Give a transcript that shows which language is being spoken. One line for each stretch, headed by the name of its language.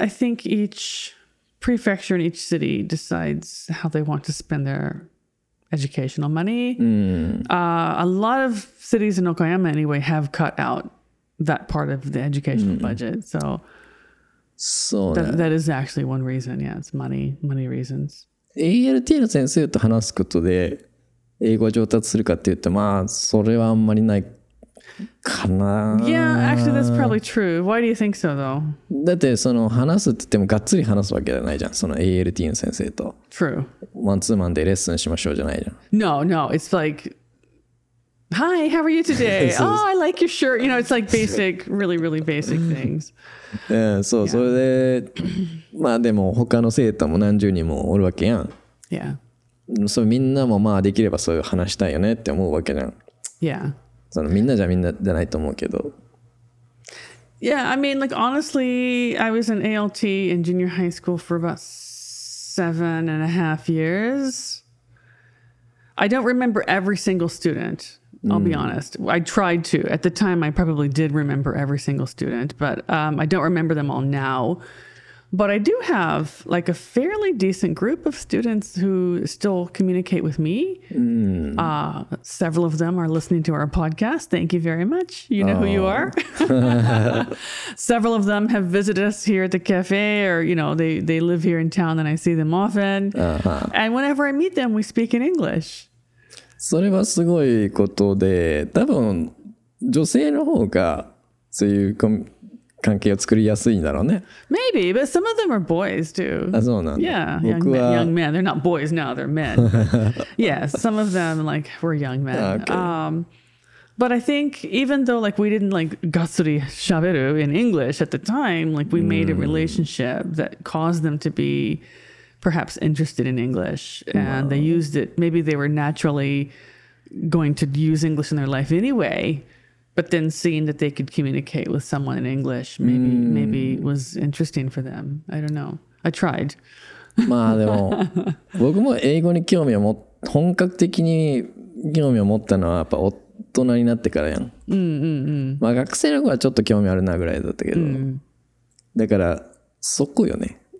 English: I think each prefecture in each city decides how they want to spend their educational money. A lot of cities in Okayama anyway have cut out that part of the educational budget, so that is actually one reason. Yeah, it's money reasons.
Japanese: ALT の先生と話すことで英語上達するかって言って、まあそれはあんまりないかな。
English: Yeah, actually that's probably true. Why do you think so though?
Japanese: だってその話すって言ってもがっつり話すわけじゃないじゃん、その ALT の先生と。
English: True.
Japanese: マンツーマンでレッスンしましょうじゃないじゃん。
English: No, no, it's like, hi, how are you today? Oh, I like your shirt. You know, it's like basic, really, really basic things.
Japanese: そう、それで、まあでも他の生徒も何十人もおるわけやん。
English: Yeah.
Japanese: そうみんなもまあできればそういう話したいよねって思うわけじゃん。
English: Yeah.
Japanese: そのみんなじゃみんなじゃないと思うけど。
English: Yeah, I mean, like, honestly, I was an ALT in junior high school for about 7.5 years. I don't remember every single student, I'll be honest. I tried to. At the time, I probably did remember every single student, but I don't remember them all now. But I do have like a fairly decent group of students who still communicate with me. Several of them are listening to our podcast. Thank you very much. You know who you are. Several of them have visited us here at the cafe, or, you know, they live here in town and I see them often. And whenever I meet them, we speak in English.
Japanese: それはすごいことで、多分女性の方がそういう関係を作りやすいんだろうね。
English: Maybe, but some of them are boys too.
Japanese: あ、そうなんだ。
English: Yeah, young men. They're not boys now, they're men. Yes, some of them like were young men. Okay. But I think even though like we didn't like
Japanese: gatsuri shaberu
English: in English at the time, like we made a relationship that caused them to be perhaps interested in English, and they used it. Maybe they were naturally going to use English in their life anyway. But then seeing that they could communicate with someone in English maybe was interesting for them. I don't know. I tried.
Japanese: まあでも僕も英語に興味を持っ本格的に興味を持ったのはやっぱ大人になってからやん。まあ学生の頃はちょっと興味あるなぐらいだったけど、だからそこよね。